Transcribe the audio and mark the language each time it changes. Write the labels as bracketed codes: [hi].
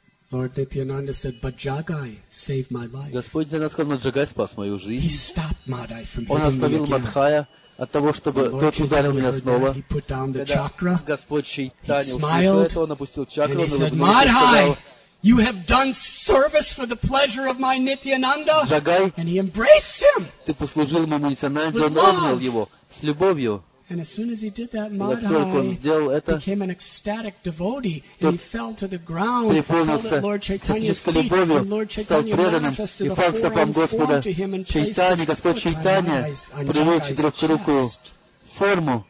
[en] Lord Nityananda said, "But Jagai saved my life." [ru] Господь Нитьянанда сказал, но Джагай спас мою жизнь. [en] He stopped Madhai from [ru] Он остановил Мадхая от того, чтобы тот ударил меня снова. [en] He put down the chakra. [ru] Господь Чайтанья услышал это, он опустил чакру, [en] and he said, "Madhai, you have done service for the pleasure of my Nityananda." [ru] Джагай, [en] and he embraced him. [ru] Ты послужил моему Нитьянанде, он обнял его с любовью. [en] And as soon as he did that, Madhai became an ecstatic devotee, and he fell to the ground, fell at Lord Chaitanya's feet, and Lord Chaitanya manifested a four-armed form to him and placed his foot on Jagai's chest.